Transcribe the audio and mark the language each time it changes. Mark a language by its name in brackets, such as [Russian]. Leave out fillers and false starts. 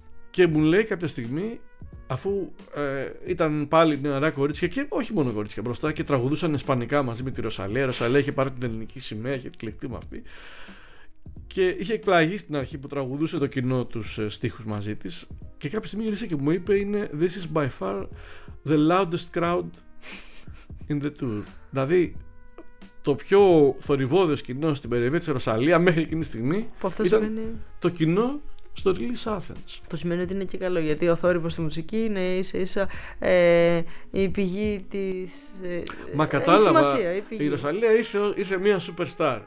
[Greek] Και μου λέει κάποια στιγμή, αφού ήταν πάλι νεαρά κορίτσια, και όχι μόνο κορίτσια μπροστά, και τραγουδούσαν ισπανικά μαζί με τη Ρωσαλία. Ρωσαλία είχε πάρει την ελληνική σημαία, είχε εκλεχτεί με αυτή. Και είχε εκπλαγεί στην αρχή που τραγουδούσε το κοινό τους στίχους μαζί της. Και κάποια στιγμή γύρισε και μου είπε, είναι [English] «This is by far the loudest crowd in the tour». [Greek] Δηλαδή, το πιο θορυβόδιος κοινό στην περιοχή της Ρωσαλία μέχρι εκείνη τη στιγμή ήταν σημαίνει το κοινό στο Release Athens. Που σημαίνει ότι είναι και καλό, γιατί ο θόρυβος στη μουσική είναι ίσα-ίσα η πηγή της. Μα κατάλαβα, η Ρωσαλία ήρθε μια superstar.